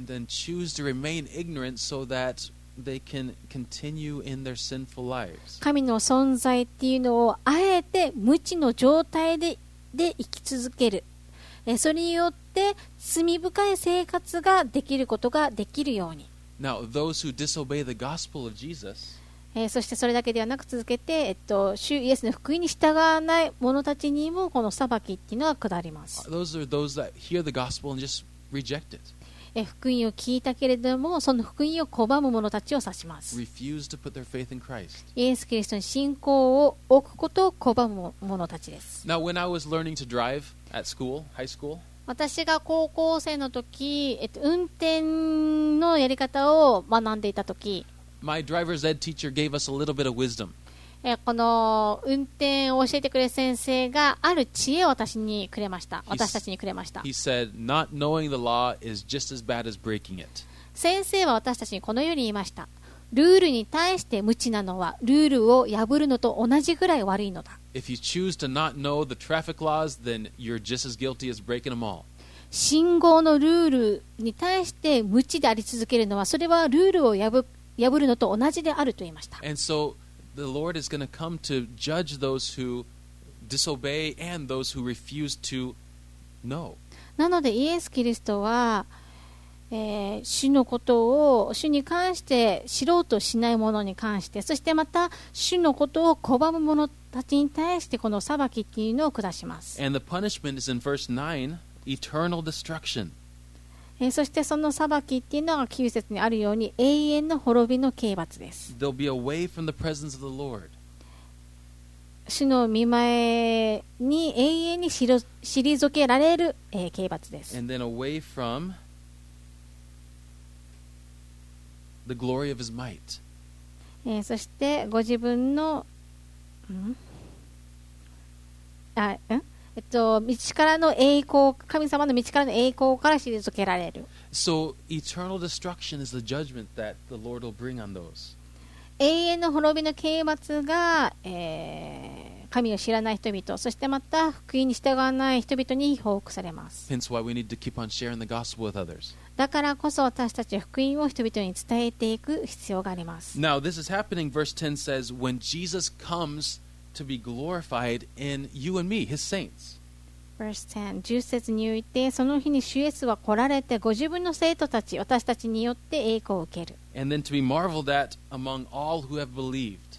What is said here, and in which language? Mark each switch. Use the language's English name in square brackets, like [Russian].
[English] And then choose to remain ignorant so that they can continue in their sinful lives. [Japanese] 神の存在っていうのをあえて無知の状態 で生き続ける、それによって罪深い生活ができることができるように。 [English] Now, those who disobey the gospel of Jesus, [Japanese] そしてそれだけではなく続けて、主イエスの福音に従わない者たちにもこの裁きっていうのは下ります。 [English] Those are those that hear the gospel and just reject it. [Japanese] 福音を聞いたけれどもその福音を拒む者たちを指します。 [English] Refuse to put their faith in Christ. [Japanese] イエス・キリストに信仰を置くことを拒む者たちです。 [English] Now, when I was learning to driveAt school, high school. [Japanese] 私が高校生の時、運転のやり方を学んでいた時、 [English] My driver's ed teacher gave us a little bit of wisdom. [Japanese] この運転を教えてくれる先生がある知恵を私にくれました。私たちにくれました。 [English] He said, "Not knowing the law is just as bad as breaking it." [Japanese] 先生は私たちにこのように言いました。ルールに対して無知なのはルールを破るのと同じぐらい悪いのだ。 [English] If you choose to not know the traffic laws, then you're just as guilty as breaking them all. [Japanese] 信号のルールに対して無知であり続けるのは、それはルールを破るのと同じであると言いました。 [English] And so the Lord is going to come to judge those who disobey and those who refuse to know. [Japanese] なのでイエス・キリストは、主のことを主に関して知ろうとしない者に関して、そしてまた主のことを拒む者たちに対してこの裁きっていうのを下します。 [English] And the punishment is in verse 9, eternal destruction. [Japanese] そしてその裁きっていうのが9節にあるように永遠の滅びの刑罰です。 [English] They'll be away from the presence of the Lord. [Japanese] 主の御前に永遠に退けられる、刑罰です。 [English] And then away fromThe glory of his might. [Japanese] そしてご自分の、道からの栄光、神様の道からの栄光から退けられる。 [English] So eternal destruction is the judgment that the Lord will bring on those. [Japanese] 永遠の滅びの刑罰が、神を知らない人々、そしてまた福音に従わない人々に報告されます。 [English] Hence why we need to keep on sharing the gospel with others. [Japanese] だからこそ私たち福音を人々に伝えていく必要があります。 [English] Now this is happening. Verse 10 says, when Jesus comes to be glorified in you and me, his saints. Verse 10, [Japanese] 10節においてその日に主イエスは来られてご自分の生徒たち、私たちによって栄光を受ける。 [English] And then to be marveled at among all who have believed.